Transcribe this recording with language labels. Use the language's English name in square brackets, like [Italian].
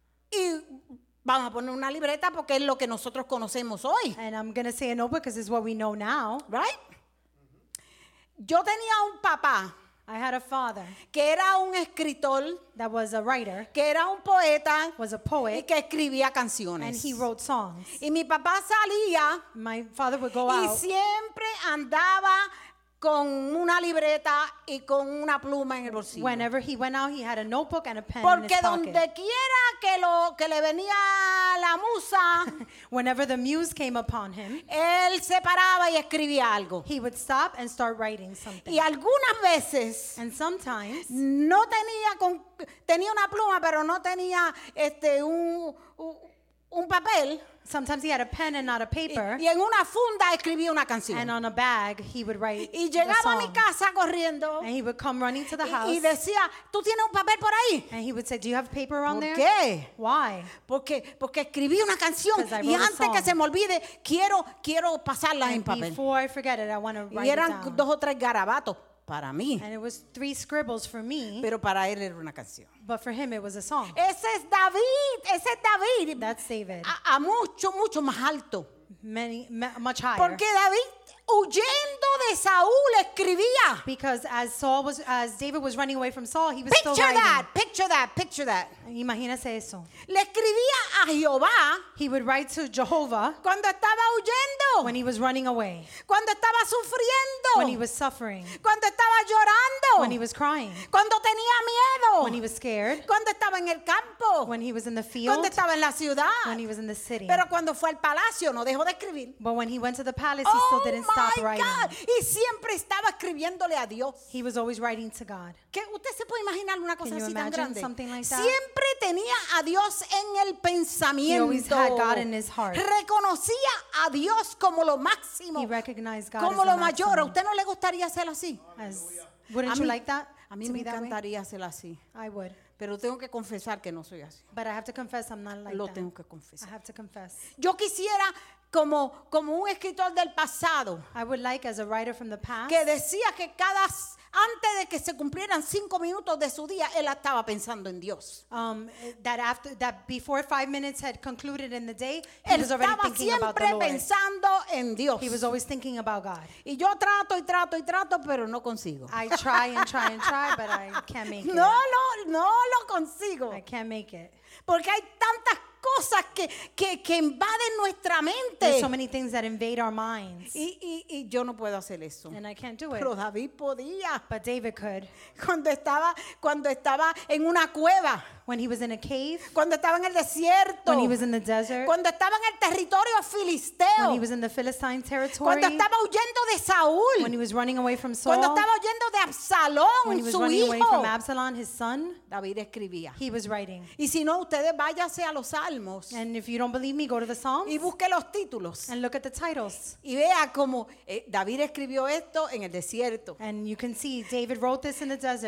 [Spanish] Y vamos a poner una libreta porque es lo que nosotros conocemos hoy. [English] And I'm going to say a notebook because it's what we know now. Right? [Spanish] Yo tenía un papá. [English] I had a father. [Spanish] Que era un escritor. [English] That was a writer. [Spanish] Que era un poeta. [English] Was a poet. [Spanish] Y que escribía canciones. [English] And he wrote songs. [Spanish] Y mi papá salía. [English] My father would go [Spanish] y [English] out. [Spanish] Y siempre andaba con una libreta y con una pluma en el bolsillo. [English] Whenever he went out, he had a notebook and a pen. [Spanish] Porque [English] in his pocket. [Spanish] Porque dondequiera que le venía la musa, [English] whenever the muse came upon him, [Spanish] él se paraba y escribía algo. [English] He would stop and start writing something. [Spanish] Y algunas veces, [English] and sometimes, [Spanish] no tenía con tenía una pluma, pero no tenía un papel. [English] Sometimes he had a pen and not a paper. [Spanish] Y en una funda escribía una canción. [English] And on a bag, he would write. [Spanish] Y llegaba a mi casa corriendo. [English] And he would come running to the house. [Spanish] Y decía, ¿tú tienes un papel por ahí? [English] And he would say, do you have paper around there? [Spanish] ¿Por qué? [English] Why? [Spanish] Porque escribí una canción. [English] Because I wrote [Spanish] y antes que se me olvide, quiero pasarla [English] and [Spanish] en papel. [English] Before I forget it, I want to write it down. [Spanish] Y eran dos o tres garabatos para mí. [English] And it was three scribbles for me. [Spanish] Pero para él era una canción. [English] But for him, it was a song. [Spanish] Ese es David. Ese es David. [English] That's David. [Spanish] A mucho, mucho más alto. [English] Much higher. [Spanish] Porque David, huyendo de Saúl, escribía. [English] Because as David was running away from Saul, he was picture still writing. Picture that. Picture that. Picture that. [Spanish] Imagínese eso. Le escribía a Jehová. [English] He would write to Jehovah. [Spanish] Cuando estaba huyendo. [English] When he was running away. [Spanish] Cuando estaba sufriendo. [English] When he was suffering. [Spanish] Cuando estaba llorando. [English] When he was crying. [Spanish] Cuando tenía miedo. [English] When he was scared. [Spanish] Cuando estaba en el campo. [English] When he was in the field. [Spanish] Cuando estaba en la ciudad. [English] When he was in the city. [Spanish] Pero cuando fue al palacio, no dejó de escribir. [English] But when he went to the palace, he still didn't stop writing. [Spanish] Y siempre estaba escribiéndole a Dios. [English] He was always writing to God. [Spanish] ¿Qué usted se puede imaginar una cosa [English] can you [Spanish] así [English] imagine [Spanish] tan grande? [English] Something like that? [Spanish] Siempre tenía a Dios en el pensamiento. [English] He always had God in his heart. [Spanish] Reconocía a Dios como lo máximo. [English] He recognized God [Spanish] como lo mayor. [English] Maximum. [Spanish] ¿A usted no le gustaría ser así? [English] Wouldn't you like that? [Spanish] A mí me encantaría ser así. [English] I would. [Spanish] Pero tengo que confesar que no soy así. [English] But I have to confess I'm not like that. [Spanish] Lo tengo que confesar. [English] I have to confess. [Spanish] Yo quisiera como un escritor del pasado. [English] I would like as a writer from the past. [Spanish] Que decía que cada antes de que se cumplieran 5 minutos de su día él estaba pensando en Dios. [English] That before 5 minutes had concluded in the day, [Spanish] él estaba siempre pensando en Dios. [English] He was always thinking about God. [Spanish] Y yo trato y trato y trato, pero no consigo. [English] I try and try and try, but I can't make it. [Spanish] No lo consigo. [English] I can't make it. [Spanish] Porque hay tantas cosas que invaden nuestra mente. [English] There's so many things that invade our minds. [Spanish] Y yo no puedo hacer eso. [English] And I can't do it. [Spanish] Pero David podía. [English] But David could. [Spanish] Cuando estaba en una cueva. [English] When he was in a cave. [Spanish] Cuando estaba en el desierto. [English] When he was in the desert. [Spanish] Cuando estaba en el territorio filisteo. [English] When he was in the Philistine territory. [Spanish] Cuando estaba huyendo de Saúl. [English] When he was running away from Saul. [Spanish] Cuando estaba huyendo de Absalón, [English] when he was [Spanish] su [English] running [Spanish] hijo. [English] Away from Absalom, his son. [Spanish] David escribía. [English] He was writing. [Spanish] Y si no, ustedes váyanse a los Salmos. [English] And if you don't believe me, go to the Psalms. [Spanish] Y busque los títulos. [English] And look at the titles. [Spanish] Y vea cómo David escribió esto en el desierto. [English] And you can see David wrote this in the desert.